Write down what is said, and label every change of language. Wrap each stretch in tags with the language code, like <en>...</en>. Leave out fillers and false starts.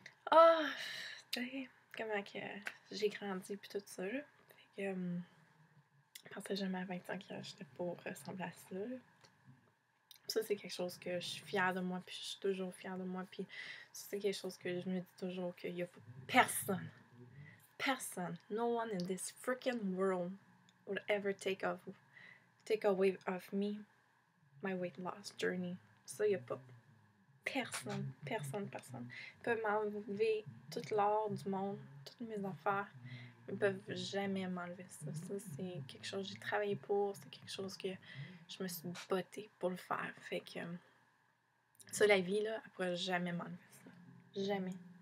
<fr>Ah! Comment que j'ai grandi, puis tout ça. Fait que. Je pensais jamais à 25 ans que j'étais pour ressembler à ça. Ça, c'est quelque chose que je suis fière de moi, puis je suis toujours fière de moi, puis ça, c'est quelque chose que je me dis toujours qu'il n'y a personne. Personne,</fr> <en>no one in this freaking world would ever take away of me my weight loss journey.</en> <fr>Ça, y a pas personne. Ils peuvent m'enlever tout l'or du monde, toutes mes affaires. Ils peuvent jamais m'enlever ça. Ça, c'est quelque chose que j'ai travaillé pour. C'est quelque chose que je me suis bottée pour le faire. Fait que ça, la vie, là, elle pourrait jamais m'enlever ça. Jamais.</fr>